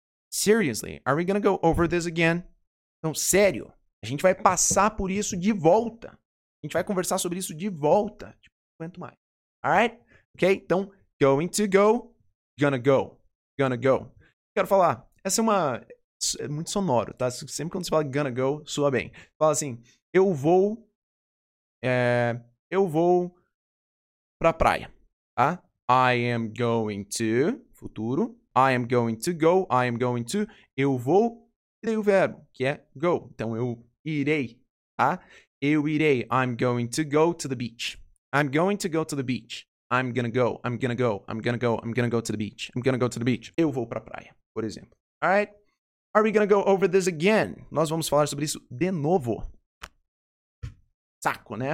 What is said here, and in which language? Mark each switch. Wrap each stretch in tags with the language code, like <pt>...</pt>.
<en>Seriously, are we gonna go over this again?</en> <pt>Então, sério, a gente vai passar por isso de volta. A gente vai conversar sobre isso de volta. Tipo, quanto mais. Alright? Ok? Então, going to go, gonna go, gonna go. Quero falar, essa é uma... É muito sonoro, tá? Sempre quando você fala gonna go, soa bem. Fala assim, eu vou pra praia, tá?</pt> <en>I am going to,</en> <pt>futuro.</pt> <en>I am going to go, I am going to.</en> <pt>Eu vou, e daí o verbo, que é go. Então, eu irei, tá? Eu irei,</pt> <en>I'm going to go to the beach. I'm going to go to the beach. I'm gonna go, I'm gonna go, I'm gonna go, I'm gonna go to the beach. I'm gonna go to the beach.</en> <pt>Eu vou pra praia, por exemplo. Alright?</pt> <en>Are we gonna go over this again?</en> <pt>Nós vamos falar sobre isso de novo. saco, né?</pt>